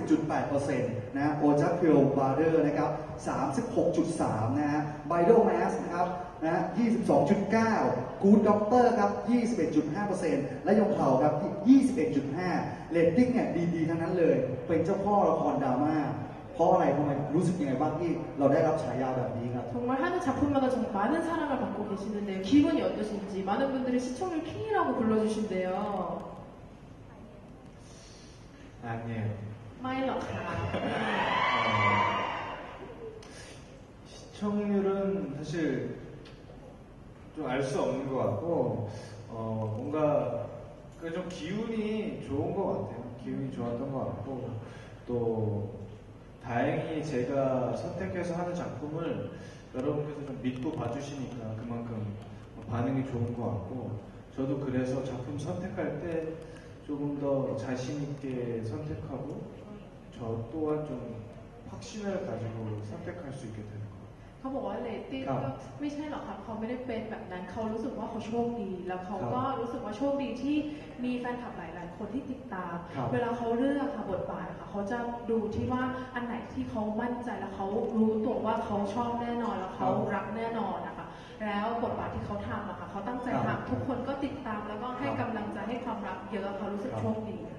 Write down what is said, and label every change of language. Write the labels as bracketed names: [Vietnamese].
[Thai] 50.8% นะโอจัคเพียวบาร์เดอร์นะครับ 36.3 นะฮะไบโดแมสนะครับนะ 22.9 กู๊ดด็อกเตอร์ครับ 21.5% และยงเผาครับ 21.5 เรตติ้งเนี่ยดีๆทั้งนั้นเลยเป็นเจ้าพ่อละครดราม่าเพราะอะไรทำไมรู้สึกยังไงบ้างที่เราได้รับฉายาแบบนี้ครับ [Korean] 정말 하는 작품마다 정말 많은 사랑을 받고 계시는데요 기분이 어떠신지 많은 분들이 시청률 킹이라고 불러주신대요 아니에요 마이러카 시청률은 사실 좀 알 수 없는 것 같고 뭔가 좀 기운이 좋은 것 같아요 기운이 좋았던 것 같고 또다행히제가선택해서하는작품을여러분께서좀믿고봐주시니까그만큼반응이좋은것같고저도그래서작품선택할때조금더자신있게선택하고저또한좀확신을가지고선택할수있게되는것같아요 [Thai] เขาบอกว่าเรตติ้งก็ไม่ใช่หรอกค่ะเขาไม่ได้เป็นแบบนั้นเขารู้สึกว่าเขาโชคดีแล้วเขาก็รู้สึกว่าโชคดีที่มีแฟนคลับหลายคนที่ติดตามเวลาเขาเลือกค่ะบทบาทค่ะเขาจะดูที่ว่าอันไหนที่เขามั่นใจแล้วเขารู้ตัวว่าเขาชอบแน่นอนแล้วเขารักแน่นอนนะคะแล้วบทบาทที่เขาทำอะค่ะเขาตั้งใจทำทุกคนก็ติดตามแล้วก็ให้กำลังใจให้ความรักเยอะเขารู้สึกโชคดี